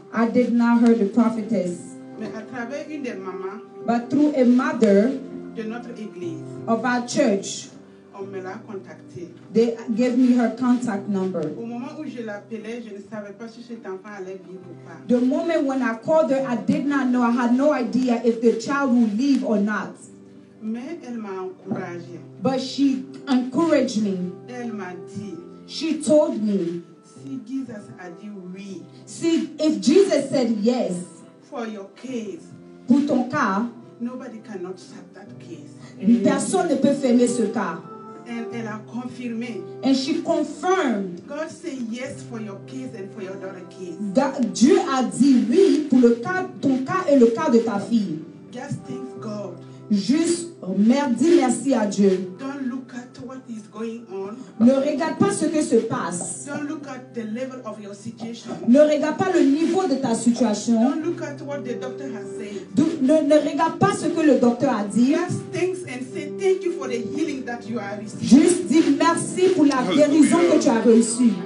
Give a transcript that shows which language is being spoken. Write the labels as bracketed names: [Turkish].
[English] I did not hear the prophetess. [French] Mais à travers une des mamans. [English] But through a mother. [French] De notre église. [English] Of our church. [French] On me l'a contacté. [English] They gave me her contact number. [French] Au moment où je l'appelais, je ne savais pas si cet enfant allait vivre ou pas. [English] The moment when I called her, I did not know. I had no idea if the child would live or not. [French] Mais elle m'a encouragée. [English] But she encouraged me. [French] Elle m'a dit. [English] She told me. [French] Si Jesus a dit oui. [English] See, if Jesus said yes. For your case. [French] Pour ton cas. [English] Nobody cannot shut that case. [French] Personne ne peut fermer ce cas. And elle a confirmé. [English] And she confirmed. God said yes for your kids and for your daughter's kids. [French] Dieu a dit oui pour le cas, ton cas et le cas de ta fille. [English] Just thank God. [French] Juste, dis merci à Dieu. [English] Don't look at what is going on. [French] Ne regarde pas ce que se passe. [English] Don't look at the level of your situation. [French] Ne regarde pas le niveau de ta situation. [English] Don't look at what the doctor has said. [French] Ne regarde pas ce que le docteur a dit. [English] Just thanks and say thank you for the healing that you are receiving. [French] Juste dis merci pour la guérison que tu as reçue.